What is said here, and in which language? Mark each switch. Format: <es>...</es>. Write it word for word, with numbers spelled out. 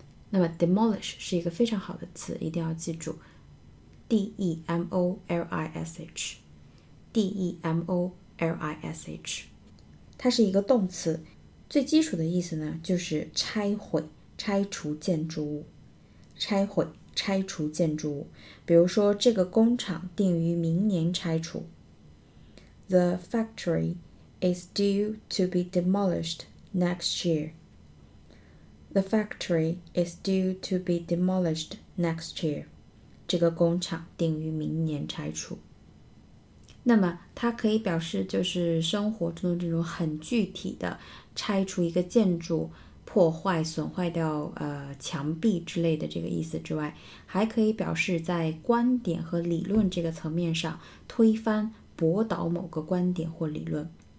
<zh>那么 demolish 是一个非常好的词，一定要记住 D E M O L I S H D E M O L I S H， 它是一个动词，最基础的意思呢就是拆毁、拆除建筑物。拆毁、拆除建筑物，比如说这个工厂定于明年拆除。</zh> <en>The factory is due to be demolished next year. The factory is due to be demolished next year.</en> <zh>这个工厂定于明年拆除。那么它可以表示就是生活中的这种很具体的拆除一个建筑，破坏损坏掉呃墙壁之类的这个意思之外，还可以表示在观点和理论这个层面上推翻驳倒某个观点或理论。</zh>